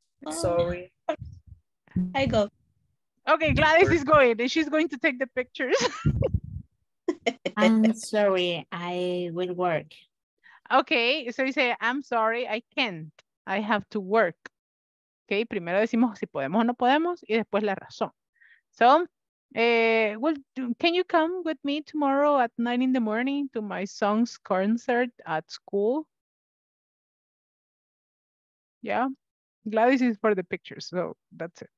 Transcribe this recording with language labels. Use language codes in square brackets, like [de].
[en] Sorry. I go. Okay, Gladys is going and she's going to take the pictures. I'm sorry, I will work. Okay, so you say, I'm sorry, I can't. I have to work. [es] Okay, primero decimos si podemos o no podemos y después la razón. [en] So, can you come with me tomorrow at 9 in the morning to my son's concert at school? Yeah, Gladys is for the pictures, so that's it.